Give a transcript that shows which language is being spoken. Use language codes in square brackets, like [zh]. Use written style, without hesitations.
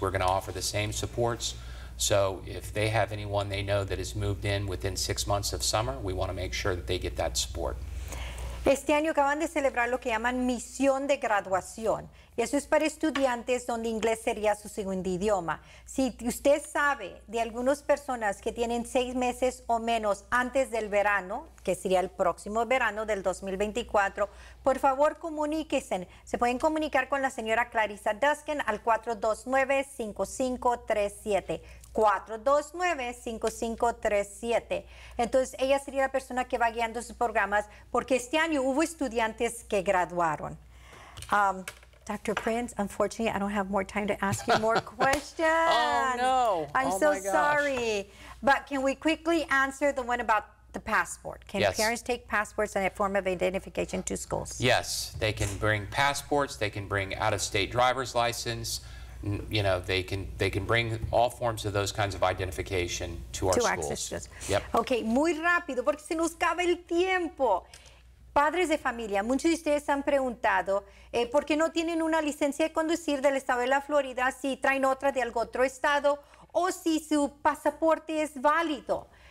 [en] We're going to offer the same supports. So if they have anyone they know that has moved in within 6 months of summer, we want to make sure that they get that support. [es] Este año acaban de celebrar lo que llaman misión de graduación. Y eso es para estudiantes donde inglés sería su segundo idioma. Si usted sabe de algunas personas que tienen 6 meses o menos antes del verano, que sería el próximo verano del 2024, por favor, comuníquense. Se pueden comunicar con la señora Clarissa Duskin al 429-5537. 429-5537. Entonces, ella sería la persona que va guiando sus programas porque este año hubo estudiantes que graduaron. [en] Dr. Prince, unfortunately, I don't have more time to ask you more questions. Oh, no. I'm oh, so my gosh. Sorry. But can we quickly answer the one about the passport? Can yes. parents take passports and a form of identification to schools? Yes. They can bring passports. They can bring out-of-state driver's license. You know, they can bring all forms of those kinds of identification to our schools. To access schools. Yep. [es] Okay, muy rápido, porque se nos acaba el tiempo. Padres de familia, muchos de ustedes han preguntado por qué no tienen una licencia de conducir del estado de la Florida, si traen otra de algún otro estado, o si su pasaporte es válido.